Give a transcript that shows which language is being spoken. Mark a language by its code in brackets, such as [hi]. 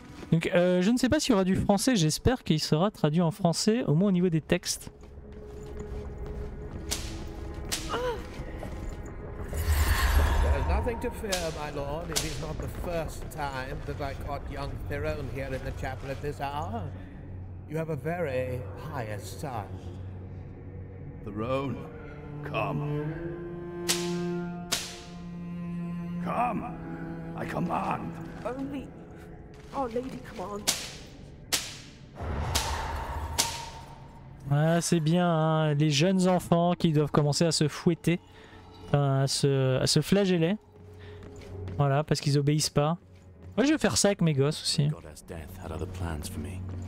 [fr] Donc, je ne sais pas s'il y aura du français. J'espère qu'il sera traduit en français, au moins au niveau des textes. [en] There is nothing to fear, my lord. It is not the first time that I caught young Theron here in the chapel at this hour. You have a very high estate. Theron, come. Come, I command. Only Our Lady commands. [fr] Ah, c'est bien, hein, les jeunes enfants qui doivent commencer à se fouetter, à se flageller. Voilà, parce qu'ils obéissent pas. Moi, je vais faire ça avec mes gosses aussi. [en] Goddess Death had other plans for me.